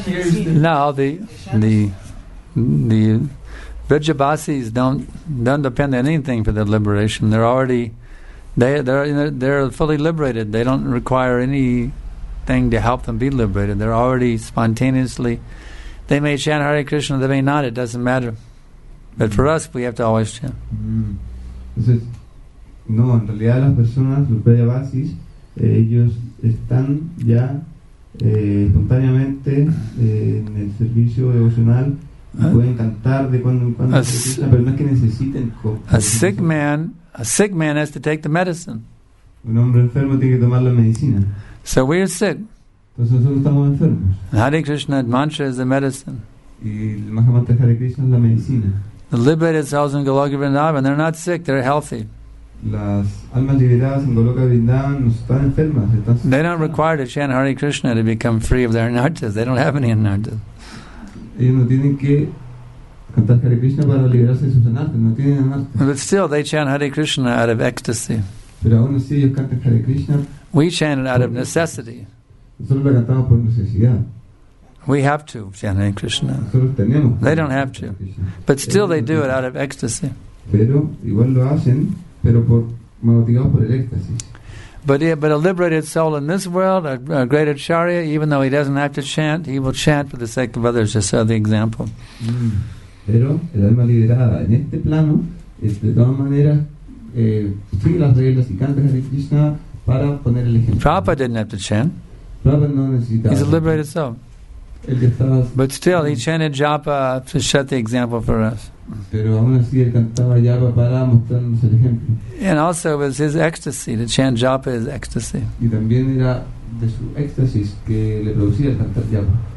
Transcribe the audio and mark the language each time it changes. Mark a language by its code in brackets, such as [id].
[en] the Vrijabhasis don't depend on anything for their liberation. They're fully liberated. They don't require anything to help them be liberated. They're already spontaneously. They may chant Hare Krishna, they may not. It doesn't matter. But for us, we have to always chant. [es] Entonces, no, en realidad las personas, los Vrijabhasis, ellos están ya espontáneamente en el servicio devocional. Pueden cantar de cuando en cuando, pero no es que necesiten. [en] A sick man has to take the medicine. [es] Un hombre enfermo tiene que tomar la medicina. [en] So we are sick. [es] Entonces nosotros estamos enfermos. [en] And Hare Krishna mantra is the medicine. [es] Y el Mahamantra Hare Krishna es la medicina. [en] The liberated souls in Goloka Vrindavan, they're not sick, they're healthy. [es] Las almas liberadas en Goloka Vrindavan no están enfermas, están sick. [en] They don't require to chant Hare Krishna to become free of their anarthas. They don't have any anarthas. [es] Ellos no tienen que cantar Hare Krishna para liberarse de sus anarthas, no tienen anarthas. [en] But still, they chant Hare Krishna out of ecstasy. [es] Pero aún así ellos cantan Hare Krishna. [en] We chant it out of necessity. [es] Nosotros la cantamos por necesidad. [en] We have to chant Hare Krishna. [es] Nosotros tenemos. [en] They don't have to. But still, they do it out of ecstasy. [es] Pero igual lo hacen, pero por motivados por el éxtasis. [en] But a liberated soul in this world, a great acharya, even though he doesn't have to chant, he will chant for the sake of others, just as the example. [es] Pero el alma liberada en este plano, de todas maneras, sigue las reglas y canta Hare Krishna para poner el ejemplo. [en] Prabhupada didn't have to chant. [es] Prabhupada no necesitaba. [en] He's a liberated soul. But still, he chanted japa to set the example for us. [es] Pero aún así él cantaba japa para mostrarnos el ejemplo. [en] And also it was his ecstasy, to chant japa is ecstasy. [es] Y también era de su éxtasis que le producía el cantar japa.